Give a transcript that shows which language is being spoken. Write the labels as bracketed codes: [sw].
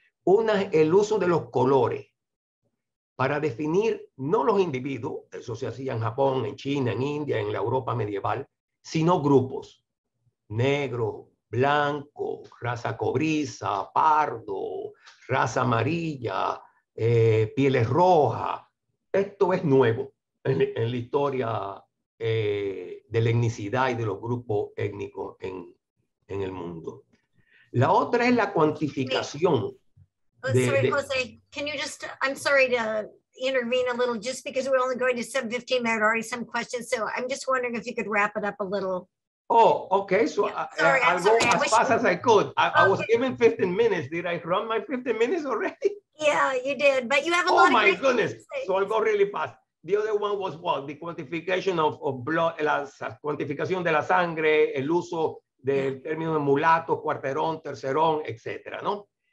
[es] Una es el uso de los colores para definir no los individuos, eso se hacía en Japón, en China, en India, en la Europa medieval, sino grupos: negro, blanco, raza cobriza, pardo, raza amarilla, pieles rojas. Esto es nuevo en la historia de la etnicidad y de los grupos étnicos en el mundo. La otra es la cuantificación. [en] Jose, can you just, I'm sorry to intervene a little, just because we're only going to 7:15, there are already some questions, so I'm just wondering if you could wrap it up a little. Oh, okay, so yeah. I'll go as fast as I could. I was given 15 minutes. Did I run my 15 minutes already? Yeah, you did, but you have a lot of great things to say. Oh my goodness, so I'll go really fast. The other one was what? The quantification of blood, [es] la cuantificación de la sangre, el uso del término de mulato, cuarterón, tercerón, etcétera, ¿no?